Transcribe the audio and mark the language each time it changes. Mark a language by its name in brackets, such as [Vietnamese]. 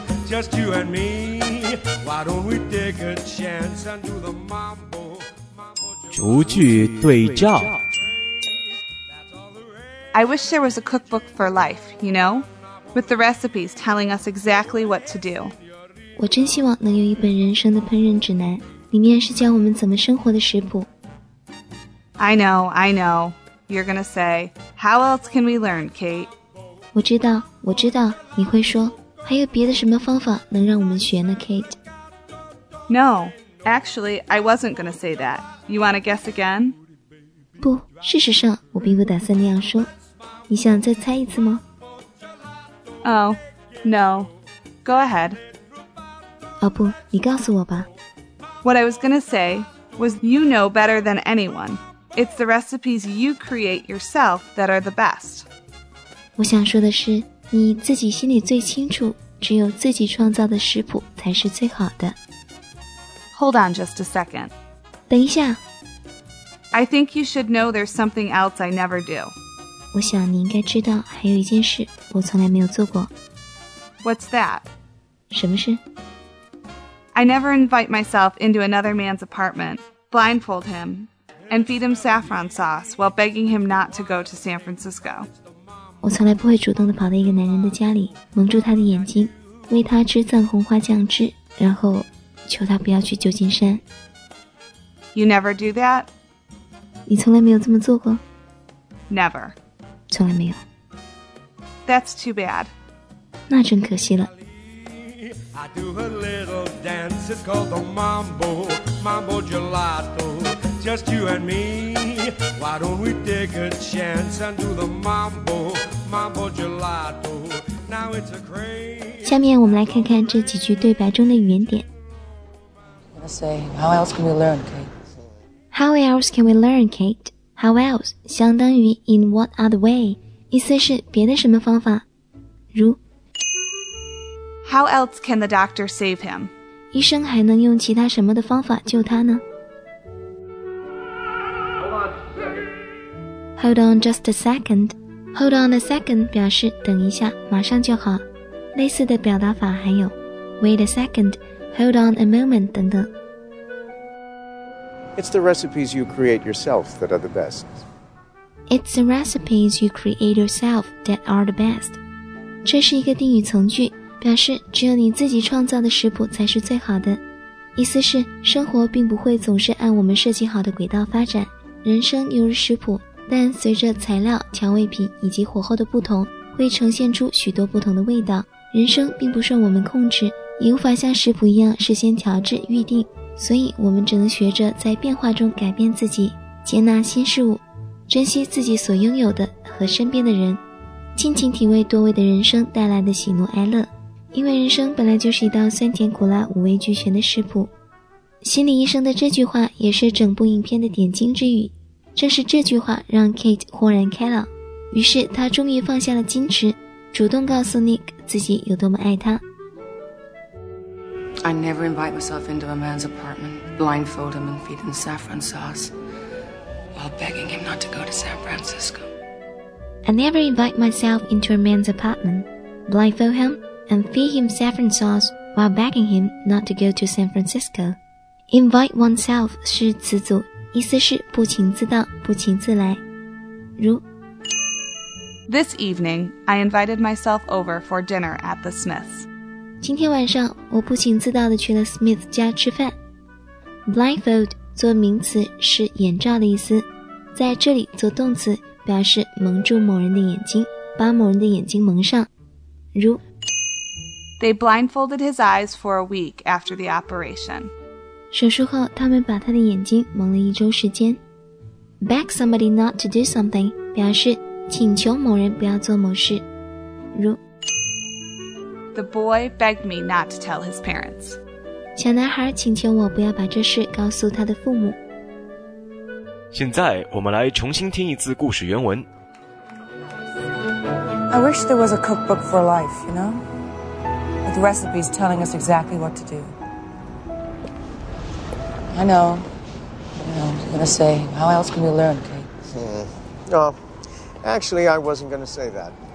[English] Just you and me, why don't we take a chance and do the Mambo, Mambo Gelato. I wish there was a cookbook for life, you know? With the recipes telling us exactly what to do. [Chinese] 我真希望能有一本人生的烹饪指南，里面是教我们怎么生活的食谱。 [English] I know, I know. You're gonna say, how else can we learn, Kate? [Chinese] 我知道，我知道，你会说，还有别的什么方法能让我们学呢 Kate? [English] No, actually, I wasn't gonna say that. You wanna guess again? [Chinese] 不，事实上，我并不打算那样说。你想再猜一次吗？ [English] Oh, no. Go ahead. [Chinese] 哦，不，你告诉我吧。 [English] What I was gonna say was, you know better than anyone. It's the recipes you create yourself that are the best. [Chinese] 我想说的是，你自己心里最清楚，只有自己创造的食谱才是最好的。 [English] Hold on just a second. [Chinese] 等一下。 [English] I think you should know there's something else I never do. [Chinese] 我想你应该知道还有一件事我从来没有做过。 [English] What's that? [Chinese] 什么事？ [English] I never invite myself into another man's apartment, blindfold him. And feed him saffron sauce while begging him not to go to San Francisco. [Chinese] 我从来不会主动地跑到一个男人的家里，蒙住他的眼睛，喂他吃藏红花酱汁，然后求他不要去旧金山。 [English] You never do that? [Chinese] 你从来没有这么做过？ [English] Never. [Chinese] 从来没有。 [English] That's too bad. [Chinese] 那真可惜了。 [English] I do a little dance, it's called the Mambo, Mambo Gelato. Just you and me, why don't we take a chance and do the Mambo, Mambo Gelato. Now it's a craze. [Chinese] 下面我们来看看这几句对白中的语言点。 [English] I'm gonna say, how else can we learn, Kate? How else can we learn, Kate? How else? [Chinese] 相当于 [English] in what other way? [Chinese] 意思是别的什么方法。如 [English] How else can the doctor save him? [Chinese] 医生还能用其他什么的方法救他呢? [English] Hold on just a second. Hold on a second [Chinese] 表示等一下，马上就好。类似的表达法还有 [English] Wait a second, Hold on a moment [Chinese] 等等。 [English] It's the recipes you create yourself that are the best. It's the recipes you create yourself that are the best. [Chinese] 这是一个定语从句，表示只有你自己创造的食谱才是最好的。意思是生活并不会总是按我们设计好的轨道发展，人生犹如食谱，但随着材料、调味品以及火候的不同，会呈现出许多不同的味道。人生并不受我们控制，也无法像食谱一样事先调制预定，所以我们只能学着在变化中改变自己，接纳新事物，珍惜自己所拥有的和身边的人，尽情体味多味的人生带来的喜怒哀乐。因为人生本来就是一道酸甜苦辣五味俱全的食谱。心理医生的这句话也是整部影片的点睛之语，正是这句话让 Kate 豁然开朗，于是他终于放下了矜持，主动告诉 Nick 自己有多么爱他。 [English] I never invite myself into a man's apartment, blindfold him and feed him saffron sauce, while begging him not to go to San Francisco. I never invite myself into a man's apartment, blindfold him and feed him saffron sauce, while begging him not to go to San Francisco. Invite oneself [Chinese] 是词组，意思是不请自到，不请自来。如 [English] This evening, I invited myself over for dinner at the Smiths. [Chinese] 今天晚上我不请自到地去了 Smith 家吃饭。 Blindfold 做名词是眼罩的意思，在这里做动词表示蒙住某人的眼睛，把某人的眼睛蒙上。如 [English] They blindfolded his eyes for a week after the operation. [Chinese] 手术后他们把他的眼睛蒙了一周时间。 [English] Beg somebody not to do something [Chinese] 表示请求某人不要做某事。如 [English] The boy begged me not to tell his parents. [Chinese] 小男孩请求我不要把这事告诉他的父母。现在我们来重新听一次故事原文。 [English] I wish there was a cookbook for life, you know? With recipes telling us exactly what to do. I know. I was going to say, how else can we learn, Kate? No, actually I wasn't going to say that.